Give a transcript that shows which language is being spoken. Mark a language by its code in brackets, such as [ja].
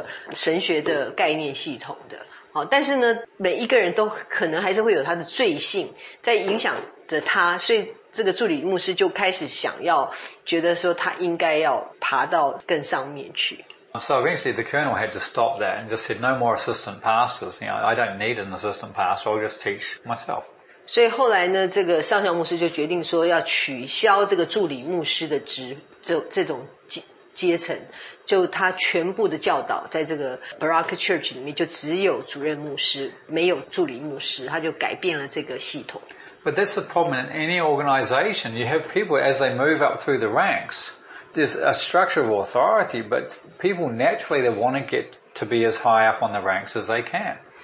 [zh] 这些牧师其实本来也是跟着上校牧师在学习的，所以照理说他们是有同样的一个神学的概念系统的。但是呢，每一个人都可能还是会有他的罪性，在影响着他，所以这个助理牧师就开始想要觉得说他应该要爬到更上面去。 [en] So eventually the colonel had to stop that and just said, no more assistant pastors. You know, I don't need an assistant pastor, I'll just teach myself. [zh] 所以后来呢，这个上校牧师就决定说要取消这个助理牧师的职，这种阶层。就他全部的教导在这个 Baraka Church 里面就只有主任牧师，没有助理牧师，他就改变了这个系统。 [en] But that's the problem in any organization. You have people as they move up through the ranks. There's a structure of authority, but people naturally they want to get to be as high up on the ranks as they can.